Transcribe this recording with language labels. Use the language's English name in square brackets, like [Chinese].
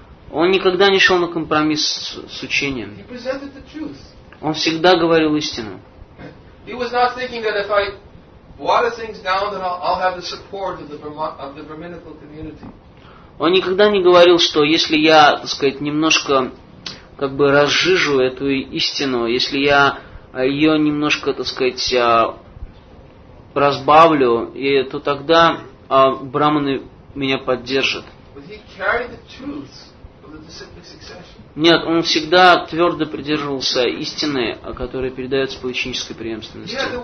[Russian] Он никогда не шел на компромисс с учением. Он всегда говорил истину. [English] He was not thinking that if I water things down, then I'll have the support of the Brahminical community. [Russian] Он никогда не говорил, что если я, так сказать, немножко как бы разжижу эту истину, если я ее немножко, так сказать, разбавлю, и то тогда браманы меня поддержат. [English] But he carried the truths of the disciplic succession. [Russian] Нет, он всегда твердо придерживался истины, которая передается по ученической преемственности.